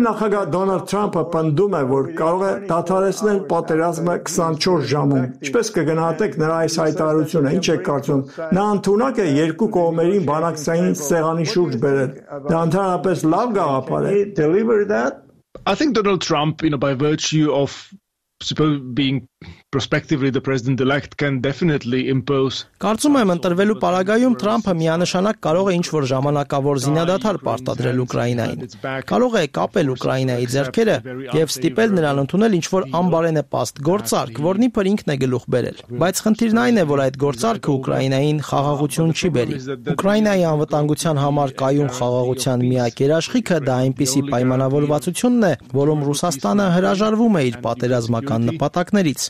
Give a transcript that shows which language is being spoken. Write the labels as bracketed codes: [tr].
[hy] նախագահ Դոնալդ Թրամփը պնդում է, որ կարող է դադարեցնել պատերազմը 24 ժամում։ Ինչպես կգնահատեք նրա այս հայտարարությունը, ինչ եք կարծում, նա ընդունակ է երկու կողմերին բանակցային սեղանի շուրջ բերել, դա ընդհանրապես լավ գաղափար է։ [en] I think Donald Trump, you know, by virtue of suppose being prospectively the president elect can definitely impose [hy] Կարծում եմ ընտրվելու պարագայում Թրամփը միանշանակ կարող է ինչ-որ ժամանակավոր զինադադար պարտադրել Ուկրաինային։ Կարող է կապել Ուկրաինայի ձեռքերը եւ ստիպել նրան ընդունել ինչ-որ անբարենպաստ գործարք, որն իբր ինքն է գլուխ բերել։ Բայց խնդիրն այն է, որ այդ գործարքը Ուկրաինային խաղաղություն չի բերի։ Ուկրաինայի անվտանգության համար կայուն խաղաղության միակ երաշխիքը դա այնպիսի պայմանավորվածությունն է, որում Ռուսաստանը հրաժարվում է իր պատերազմական նպատակներից։